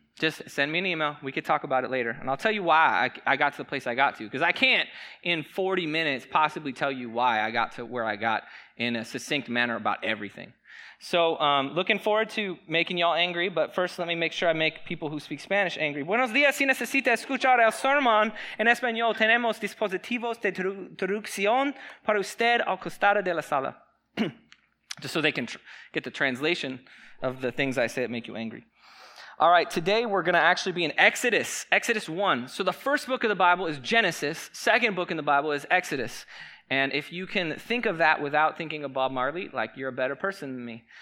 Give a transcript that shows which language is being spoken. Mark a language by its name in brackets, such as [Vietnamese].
[English] Just send me an email. We could talk about it later. And I'll tell you why I got to the place I got to. Because I can't in 40 minutes possibly tell you why I got to where I got in a succinct manner about everything. So looking forward to making y'all angry, but first let me make sure I make people who speak Spanish angry. [Spanish] Buenos días, si necesita escuchar el sermón en español, tenemos dispositivos de traducción para usted al costado de la sala. [English] Just so they can get the translation of the things I say that make you angry. All right, today we're going to actually be in Exodus, Exodus 1. So the first book of the Bible is Genesis, second book in the Bible is Exodus. And if you can think of that without thinking of Bob Marley, like you're a better person than me.